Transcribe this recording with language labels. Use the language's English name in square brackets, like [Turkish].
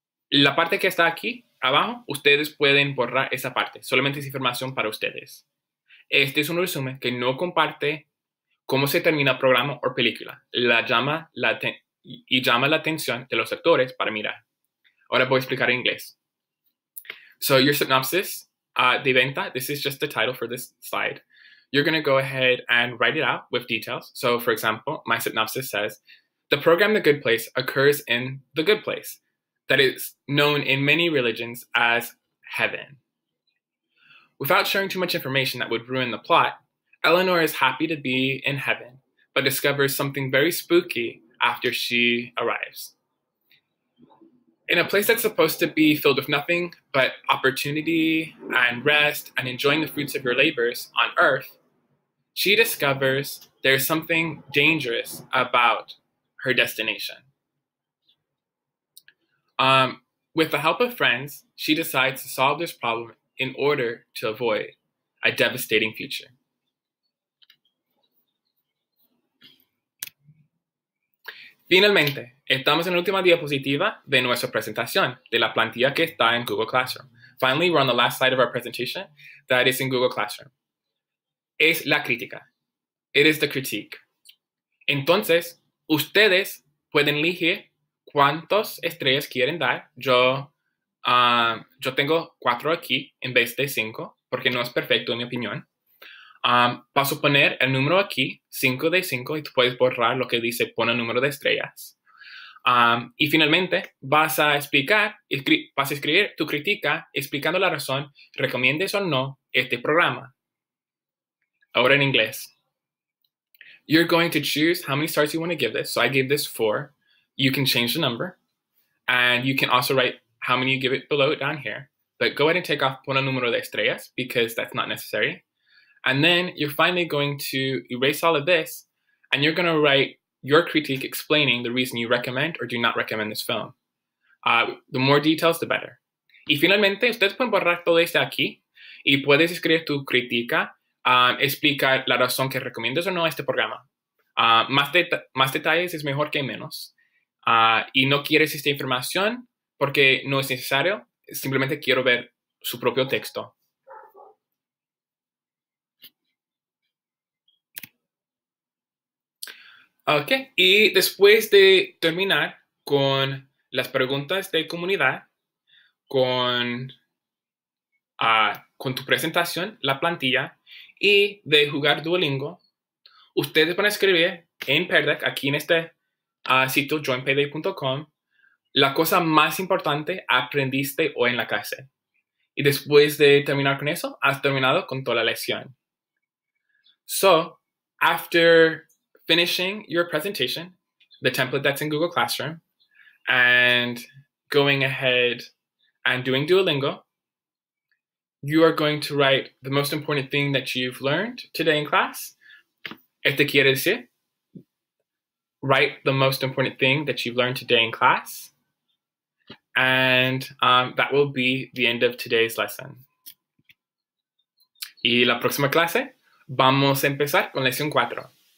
[Spanish] La parte que está aquí abajo, ustedes pueden borrar esa parte. Solamente es información para ustedes. Este es un resumen que no comparte cómo se termina el programa o película. Llama la atención de los actores para mirar. Ahora voy a explicar en inglés. [English] So your synopsis [Spanish] de venta. [English] This is just the title for this slide. You're going to go ahead and write it out with details. So, for example, my synopsis says, the program The Good Place occurs in The Good Place, that is known in many religions as heaven. Without sharing too much information that would ruin the plot, Eleanor is happy to be in heaven, but discovers something very spooky after she arrives. In a place that's supposed to be filled with nothing but opportunity and rest and enjoying the fruits of her labors on earth, she discovers there's something dangerous about her destination. With the help of friends, she decides to solve this problem in order to avoid a devastating future. [Spanish] Finalmente, estamos en la última diapositiva de nuestra presentación de la plantilla que está en Google Classroom. [English] Finally, we're on the last slide of our presentation that is in Google Classroom. [Spanish] Es la crítica. [English] It is the critique. [Spanish] Entonces, ustedes pueden elegir cuántas estrellas quieren dar. Yo tengo 4 aquí en vez de 5, porque no es perfecto en mi opinión. Paso a poner el número aquí, 5 de 5, y tú puedes borrar lo que dice, pone el número de estrellas. Y finalmente, vas a escribir tu crítica explicando la razón, recomiendes o no este programa. Ahora en inglés. [English] You're going to choose how many stars you want to give this. So I gave this 4. You can change the number. And you can also write how many you give it below it down here. But go ahead and take off [Spanish] pon el número de estrellas [English] because that's not necessary. And then you're finally going to erase all of this. And you're going to write your critique explaining the reason you recommend or do not recommend this film. The more details, the better. [Spanish] Y finalmente, ustedes pueden borrar todo esto aquí. Y puedes escribir tu crítica. Explicar la razón que recomiendas o no a este programa. Más detalles es mejor que menos. Y no quieres esta información porque no es necesario. Simplemente quiero ver su propio texto. Ok. Y después de terminar con las preguntas de comunidad, con tu presentación, la plantilla, y de jugar Duolingo, ustedes van a escribir en Perdec, aquí en este sitio, joinpayday.com, la cosa más importante aprendiste hoy en la clase. Y después de terminar con eso, has terminado con toda la lección. [English] So, after finishing your presentation, the template that's in Google Classroom, and going ahead and doing Duolingo, you are going to write the most important thing that you've learned today in class. [Spanish] Este quiere decir, [English] write the most important thing that you've learned today in class. And that will be the end of today's lesson. [Spanish] Y la próxima clase, vamos a empezar con lección 4.